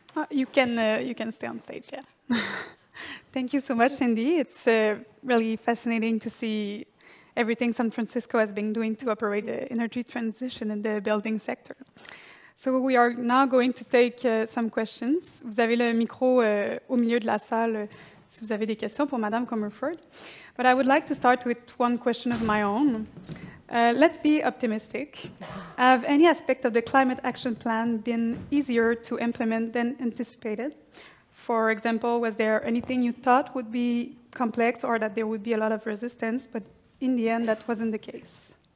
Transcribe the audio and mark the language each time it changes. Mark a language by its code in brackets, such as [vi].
[en] You can stay on stage, yeah. Thank you so much, Cindy. It's really fascinating to see everything San Francisco has been doing to operate the energy transition in the building sector. So we are now going to take some questions. [fr] Vous avez le micro au milieu de la salle si vous avez des questions pour Madame Comerford. [en] But I would like to start with one question of my own. Let's be optimistic. Have any aspect of the climate action plan been easier to implement than anticipated? For example, was there anything you thought would be complex or that there would be a lot of resistance, but in the end, that wasn't the case?